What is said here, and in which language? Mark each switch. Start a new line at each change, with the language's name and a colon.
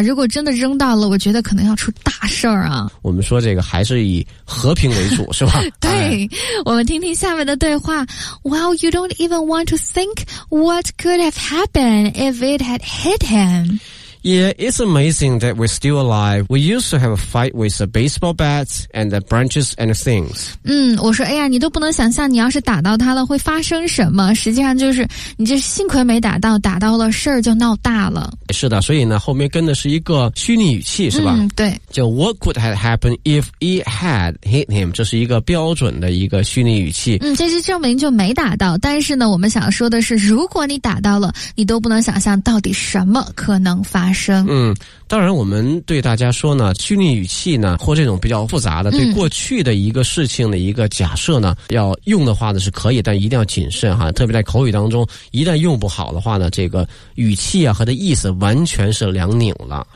Chinese: 如果真的扔到了，我觉得可能要出大事儿啊。我们说这个还是以和平为主，是吧？对、哎，我们听听下面的对话。
English: Well, you don't even want to think what could have happened if it had hit him. Yeah, it's amazing that we're still alive. We used to have a fight with the baseball bats and the branches and things.
Chinese: 嗯，我说，哎呀，你都不能想象你要是打到它了会发生什么。实际上就是你这幸亏没打到，打到了事儿就闹大了。是的，所以呢，后面跟的是一个虚拟语气，是吧？嗯，对。就
English: What could have happened if it had hit him?
Chinese: 这是一个标准的一个虚拟语气。嗯，这就证明就没打到。但是呢，我们想说的是，如果你打到了，你都不能想象到底什么可能发生。嗯，当然我们对大家说呢，虚拟语气呢或这种比较复杂的对过去的一个事情的一个假设呢、嗯、要用的话呢是可以，但一定要谨慎哈，特别在口语当中一旦用不好的话呢，这个语气啊和的意思完全是两拧了。